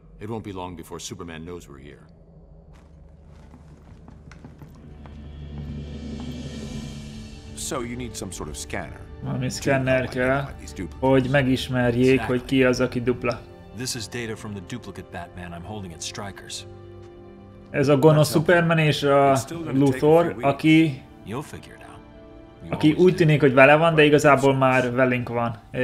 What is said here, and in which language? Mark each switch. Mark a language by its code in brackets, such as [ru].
[en] It won't be long before Superman knows we're here. So you need some sort of scanner. [hu] Valami szkenner kell, hogy megismerjék, hogy ki az, aki dupla. [en] This is data from the duplicate Batman I'm holding at Strikers. [hu] Ez a gonosz Superman és a Luthor, aki úgy tűnik, hogy vele van, de igazából már velünk van.